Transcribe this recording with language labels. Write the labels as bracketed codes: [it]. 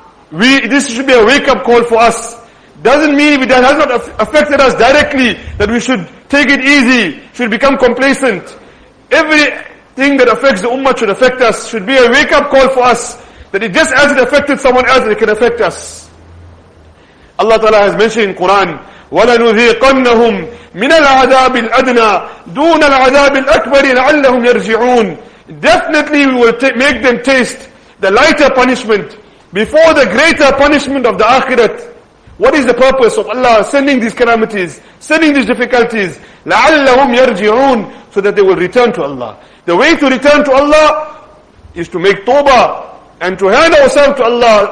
[en] This should be a wake-up call for us. Doesn't mean that has not affected us directly, that we should take it easy, should become complacent. Everything that affects the ummah should affect us, should be a wake-up call for us, that it just as it affected someone else, it can affect us. Allah Ta'ala has mentioned in Quran, [ar] وَلَنُذِيقَنَّهُمْ مِنَ الْعَذَابِ الْأَدْنَى دُونَ الْعَذَابِ الْأَكْبَرِ لَعَلَّهُمْ يَرْجِعُونَ. [en] Definitely we will make them taste the lighter punishment before the greater punishment of the akhirat. What is the purpose of Allah sending these calamities, sending these difficulties? [ar] لَعَلَّهُمْ يَرْجِعُونَ, [en] so that they will return to Allah. The way to return to Allah is to make tawbah and to hand ourselves to Allah.